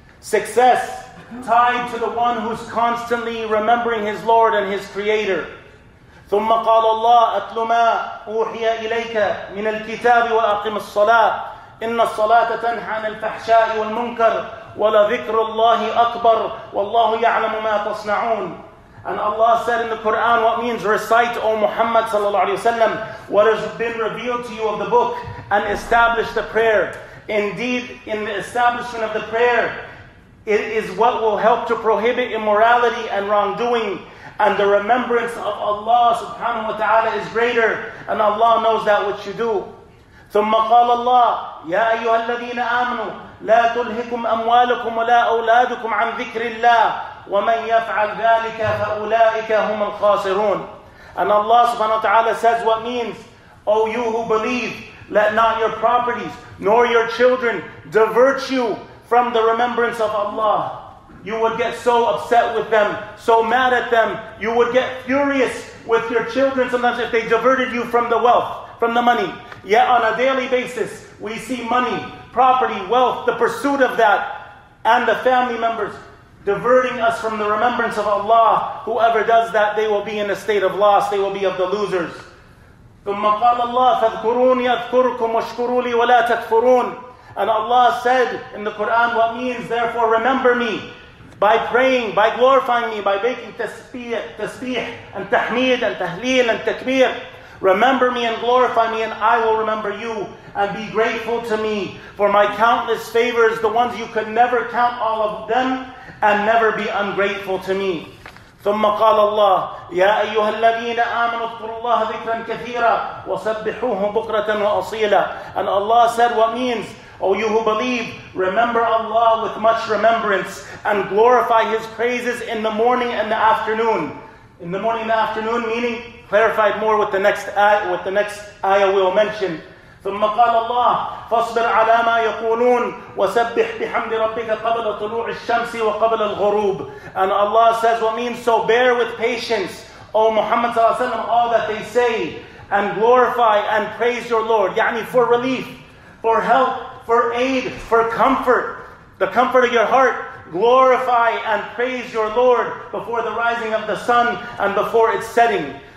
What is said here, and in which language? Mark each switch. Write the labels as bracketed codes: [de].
[en] Success tied to the one who's constantly remembering his Lord and his Creator. [ar] ثم قال الله أتل ما أوحي إليك من الكتاب وأقم الصلاة إن الصلاة تنهى عن الفحشاء والمنكر ولذكر الله أكبر والله يعلم ما تصنعون. [en] And Allah said in the Quran what means, recite, O Muhammad sallallahu alaihi wasallam, what has been revealed to you of the book, and establish the prayer. Indeed, in the establishment of the prayer, it is what will help to prohibit immorality and wrongdoing, and the remembrance of Allah subhanahu wa ta'ala is greater, and Allah knows that which you do. [ar] ثم قال الله يا أيها الذين آمنوا لا تلهكم أموالكم ولا أولادكم عن ذكر الله ومن يفعل ذلك فأولئك هم الخاسرون. [en] And Allah subhanahu wa ta'ala says what means, O you who believe, let not your properties nor your children divert you from the remembrance of Allah. You would get so upset with them, so mad at them, you would get furious with your children sometimes if they diverted you from the wealth, from the money. Yet on a daily basis, we see money, property, wealth, the pursuit of that, and the family members diverting us from the remembrance of Allah. Whoever does that, they will be in a state of loss. They will be of the losers. [ar] ثُمَّ قَالَ اللَّهُ فَاذْكُرُونِ يَذْكُرُكُمْ وَاشْكُرُوا لِي وَلَا تَكْفُرُونَ. [en] And Allah said in the Quran what means, therefore remember me by praying, by glorifying me, by making tasbih and tahmid and tahleel and takbir. Remember me and glorify me, and I will remember you. And be grateful to me for my countless favors, the ones you could never count all of them, and never be ungrateful to me. [ar] ثم قال الله يا أيها الذين آمنوا اذكروا الله ذكرا كثيرا وسبحوه بكرة وأصيلا. [en] And Allah said, what means, O you who believe, remember Allah with much remembrance and glorify His praises in the morning and the afternoon. In the morning and the afternoon, meaning clarified more with the next ayah, we will mention. [ar] ثم قال الله فاصبر على ما يقولون وسبح بحمد ربك قبل طلوع الشمس وقبل الغروب. [en] And Allah says, what means, so bear with patience, O Muhammad sallallahu alaihi wasallam, all that they say, and glorify and praise your Lord. [ar] يعني [en] for relief, for help, for aid, for comfort, the comfort of your heart. Glorify and praise your Lord before the rising of the sun and before its setting.